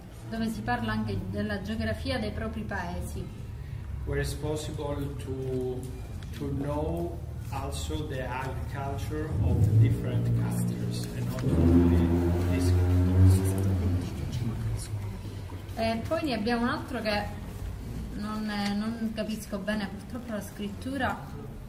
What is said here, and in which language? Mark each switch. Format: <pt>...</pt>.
<it>Dove si parla anche della geografia dei propri paesi.</it> <en>Where it's possible to know also the agriculture of different cultures and not only this culture.</en> <it>Poi ne abbiamo un altro che non capisco bene purtroppo la scrittura.</it>